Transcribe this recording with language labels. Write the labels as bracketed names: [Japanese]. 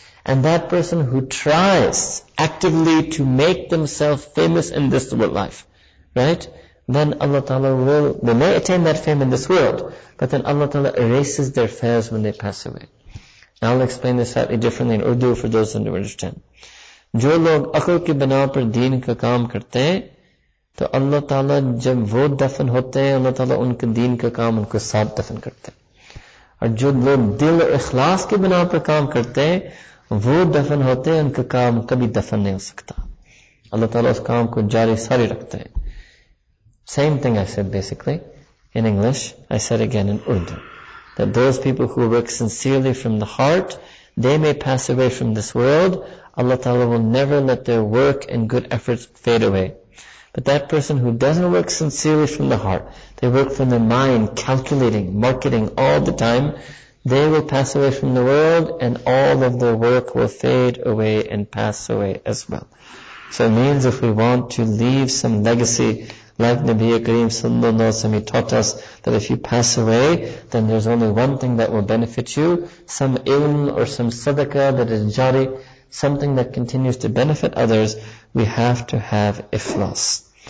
[English] And that person who tries actively to make themselves famous in this world life, right? Then Allah Ta'ala will, they may attain that fame in this world, but then Allah Ta'ala erases their fez when they pass away. Now I'll explain this slightly differently in Urdu for those who don't understand. [Urdu] جو لوگ عقل کی بنا پر دین کا کام کرتے ہیں تو اللہ تعالیٰ جب وہ دفن ہوتے ہیں اللہ تعالیٰ ان کے دین کا کام ان کو ساتھ دفن کرتے ہیں اور جو لوگ دل اور اخلاص کی بنا پر کام کرتے ہیں وہ دفن ہوتے ہیں ان کا کام کبھی دفن نہیں ہو سکتا اللہ تعالیٰ اس کام کو جاری ساری رکھتے ہیں [English] same thing I said basically in English I said again in Urdu that those people who work sincerely from the heart they may pass away from this world Allah Ta'ala will never let their work and good efforts fade away. But that person who doesn't work sincerely from the heart, they work from their mind, calculating, marketing all the time, they will pass away from the world and all of their work will fade away and pass away as well. So it means if we want to leave some legacy, like Nabi Kareem Sallallahu Alaihi Wasallam, he taught us that if you pass away, then there's only one thing that will benefit you, some ilm or some sadaqah that is jari, something that continues to benefit others, we have to have ikhlas.